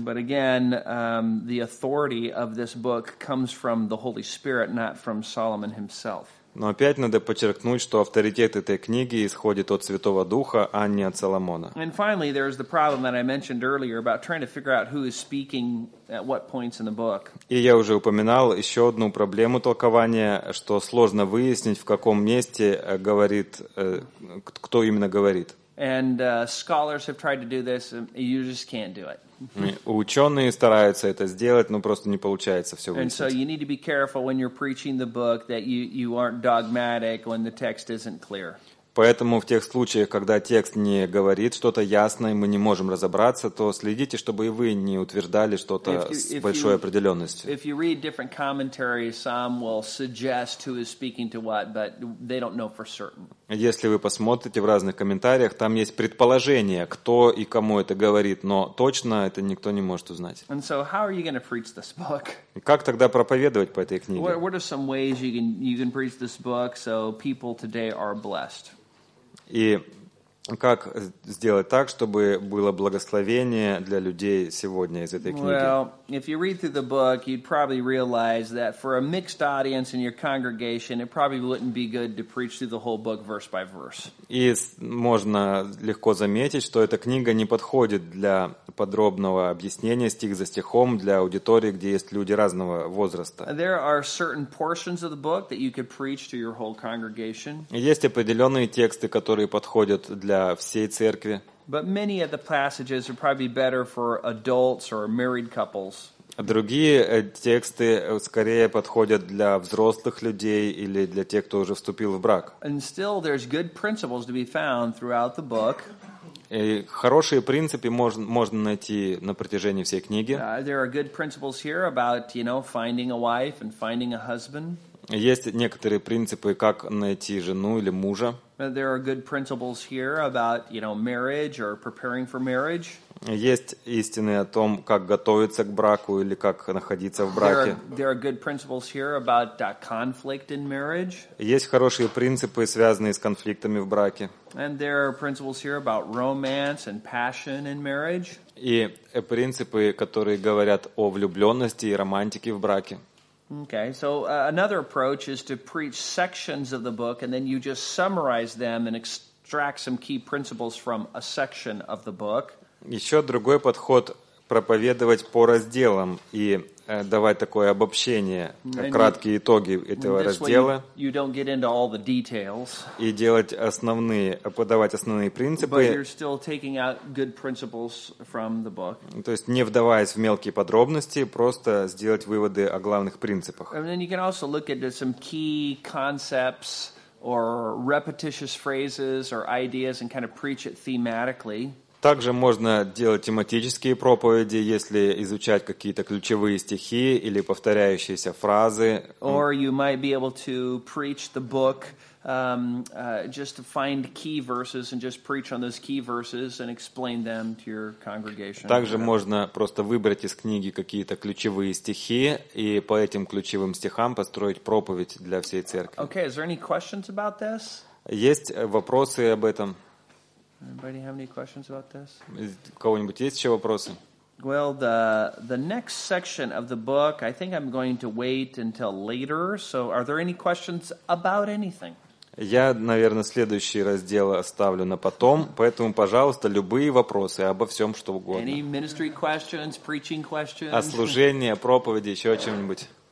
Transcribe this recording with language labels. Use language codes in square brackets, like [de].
[en] But again, the authority of this book comes from the Holy Spirit, not from Solomon himself. [ru] Но опять надо подчеркнуть, что авторитет этой книги исходит от Святого Духа, а не от Соломона. [en] And finally, there's the problem that I mentioned earlier about trying to figure out who is speaking at what points in the book. [ru] И я уже упоминал еще одну проблему толкования, что сложно выяснить, в каком месте говорит, кто именно говорит. [en] And scholars have tried to do this, and you just can't do it. [ru] Ученые стараются это сделать, но просто не получается все выяснить. [en] And so you need to be careful when you're preaching the book that you aren't dogmatic when the text isn't clear. [ru] Поэтому в тех случаях, когда текст не говорит что-то ясное, мы не можем разобраться, то следите, чтобы и вы не утверждали что-то с большой определенностью. [en] If you read different commentaries, some will suggest who is speaking to what, but they don't know for certain. [ru] Если вы посмотрите в разных комментариях, там есть предположение, кто и кому это говорит, но точно это никто не может узнать. [en] And so how are you going to preach this book? [ru] Как тогда проповедовать по этой книге? [en] What are some ways you can preach this book so people today are blessed? [ru] И Как сделать так, чтобы было благословение для людей сегодня из этой книги? [en] Well, if you read through the book, you'd probably realize that for a mixed audience in your congregation, it probably wouldn't be good to preach through the whole book verse by verse. [ru] И можно легко заметить, что эта книга не подходит для подробного объяснения стих за стихом для аудитории, где есть люди разного возраста. [en] There are certain portions of the book that you could preach to your whole congregation. [ru] Есть определенные тексты, которые подходят для всей церкви. [en] But many of the passages are probably better for adults or married couples. [ru] Другие тексты скорее подходят для взрослых людей или для тех, кто уже вступил в брак. [en] And still there's good principles to be found throughout the book. [ru] И хорошие принципы можно найти на протяжении всей книги. [en] There are good principles here about, you know, finding a wife and finding a husband. [ru] Есть некоторые принципы, как найти жену или мужа. [en] There are good principles here about, you know, marriage or preparing for marriage. [ru] Есть истины о том, как готовиться к браку или как находиться в браке. [en] There are good principles here about conflict in marriage. [ru] Есть хорошие принципы, связанные с конфликтами в браке. [en] And there are principles here about romance and passion in marriage. [ru] И принципы, которые говорят о влюбленности и романтике в браке. [en] Okay, so another approach is to preach sections of the book, and then you just summarize them and extract some key principles from a section of the book. [ru] Еще другой подход – проповедовать по разделам и давать такое обобщение, краткие итоги этого раздела. [en] You don't get into all the details. [ru] И делать основные, подавать основные принципы. [en] But you're still taking out good principles from the book. [ru] То есть не вдаваясь в мелкие подробности, просто сделать выводы о главных принципах. [en] And then you can also look at some key concepts or repetitious phrases or ideas and kind of preach it thematically. [ru] Также можно делать тематические проповеди, если изучать какие-то ключевые стихи или повторяющиеся фразы. [en] Or you might be able to preach the book, just to find key verses and just preach on those key verses and explain them to your congregation. [ru] Также можно просто выбрать из книги какие-то ключевые стихи и по этим ключевым стихам построить проповедь для всей церкви. [en] Okay, is there any questions about this? [ru] Есть вопросы об этом? [en] Anybody have any questions about this? [ru] Кого-нибудь есть еще вопросы? [en] Well, the next section of the book, I think I'm going to wait until later. So, are there any questions about anything? [ru] Я, наверное, следующий раздел оставлю на потом, поэтому, пожалуйста, любые вопросы обо всем, что угодно. [en] Any ministry questions, preaching questions? [ru] О служении, проповеди, еще о чем-нибудь.